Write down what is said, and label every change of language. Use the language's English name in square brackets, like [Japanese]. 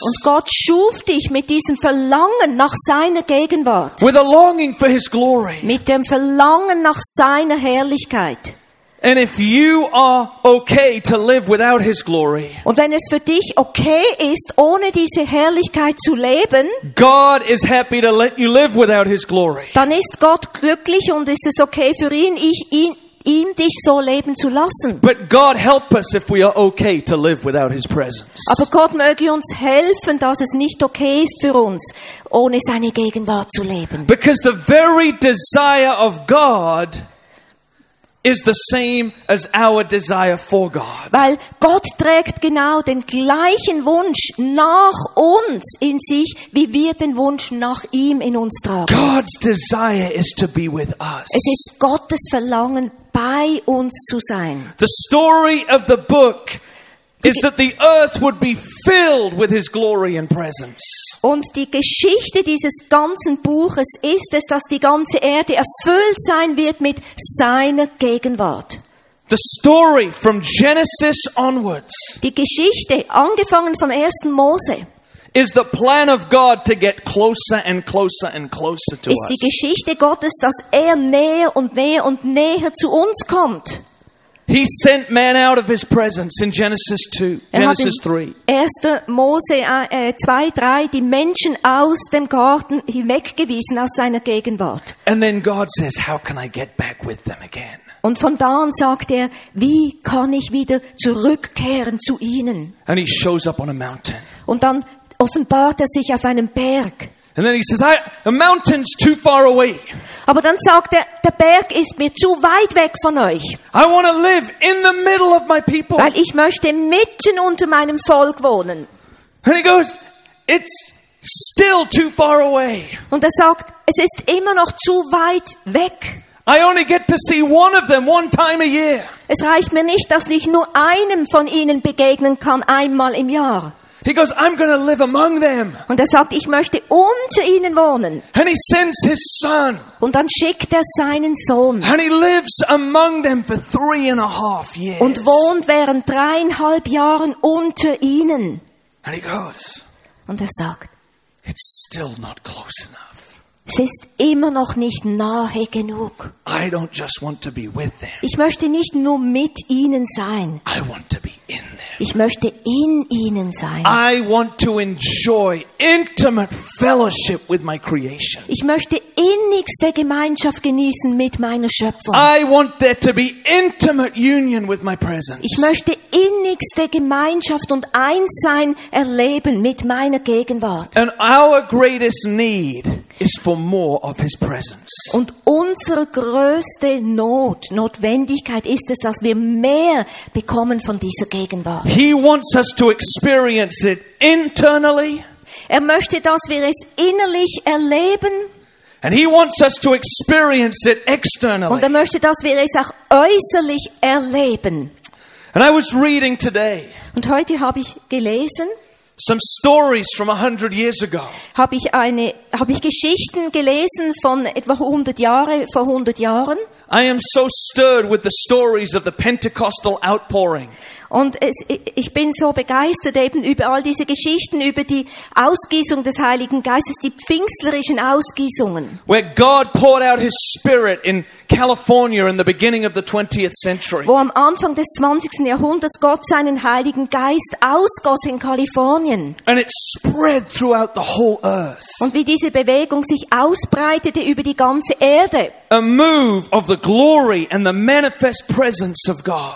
[German] Und Gott schuf dich mit diesem Verlangen nach seiner Gegenwart. [English] With a longing for his glory. [German] Mit dem Verlangen nach seiner Herrlichkeit. [English] And if you are okay to live without his glory, [German] und wenn es für dich okay ist, ohne diese Herrlichkeit zu leben, [English] God is happy to let you live without his glory. [German] Dann ist Gott glücklich und ist es okay für ihn, ihm dich so leben zu lassen. [English] But God help us if we are okay to live without his presence. [German] Aber Gott möge uns helfen, dass es nicht okay ist für uns, ohne seine Gegenwart zu leben. [English] Because the very desire of God is the same as our desire for God. [German] Weil Gott trägt genau den gleichen Wunsch nach uns in sich, wie wir den Wunsch nach ihm in uns tragen. [English] God's desire is to be with us. [German] Es ist Gottes Verlangen, bei uns zu sein. [English] The story of the book is that the earth would be filled with his glory and presence. [German] Und die Geschichte dieses ganzen Buches ist es, dass die ganze Erde erfüllt sein wird mit seiner Gegenwart. [English] The story from Genesis onwards. [German] Die Geschichte angefangen von 1. Mose. [English] Is the plan of God to get closer and closer and closer to us. [German] Ist die Geschichte Gottes, dass näher und näher und näher zu uns kommt. [English] He sent man out of his presence in Genesis 2, Genesis 3. [German] 1. Mose 2, 3, die Menschen aus dem Garten hinweggewiesen aus seiner Gegenwart. [English] And then God says, how can I get back with them again? [German] Und von da an sagt er, wie kann ich wieder zurückkehren zu ihnen? [English] And he shows up on a mountain. [German] Und dann offenbart er sich auf einem Berg. [English] And then he says, the mountain's too far away. [German] Aber dann sagt er, der Berg ist mir zu weit weg von euch. [English] I want to live in the middle of my people. [German] Weil ich möchte mitten unter meinem Volk wohnen. [English] And he goes, it's still too far away. [German] Und er sagt, es ist immer noch zu weit weg. [English] I only get to see one of them one time a year. [German] Es reicht mir nicht, dass ich nur einem von ihnen begegnen kann einmal im Jahr. [English] He goes, I'm going to live among them. [German] Und er sagt, ich möchte unter ihnen wohnen. [English] And he sends his son. [German] Und dann schickt er seinen Sohn. [English] And he lives among them for 3.5 years. [German] Und wohnt während 3.5 Jahren unter ihnen. [English] And he goes. [German] Und er sagt, [English] it's still not close enough. [German] Es ist immer noch nicht nahe genug. [English] I don't just want to be with them. [German] Ich möchte nicht nur mit ihnen sein. [English] I want to be in them. [German] Ich möchte in ihnen sein. [English] I want to enjoy intimate fellowship with my creation. [German] Ich möchte innigste Gemeinschaft genießen mit meiner Schöpfung. [English] I want there to be intimate union with my presence. [German] Ich möchte innigste Gemeinschaft und Einssein erleben mit meiner Gegenwart. [English] And our greatest need is for more of his presence. [German] Und unsere größte Notwendigkeit ist es, dass wir mehr bekommen von dieser Gegenwart. [English] He wants us to experience it internally. [German] Er möchte, dass wir es innerlich erleben. [English] And he wants us to experience it externally. [German] Und er möchte, dass wir es auch äußerlich erleben. [English] And I was reading today. [German] Und heute habe ich gelesen. [English] some stories from 100 years ago. [German] Habe ich Geschichten gelesen von etwa 100 Jahre vor 100 Jahren? [English] I am so stirred with the stories of the Pentecostal outpouring. [German] Und ich bin so begeistert eben über all diese Geschichten über die Ausgießung des Heiligen Geistes, die pfingstlerischen Ausgießungen. [English] Where God poured out his spirit in California in the beginning of the 20th century. [German] Wo am Anfang des 20. Jahrhunderts Gott seinen Heiligen Geist ausgoss in Kalifornien. [English] And it spread throughout the whole earth. [German] Und wie diese Bewegung sich ausbreitete über die ganze Erde. [English] A move of the glory and the manifest presence of God.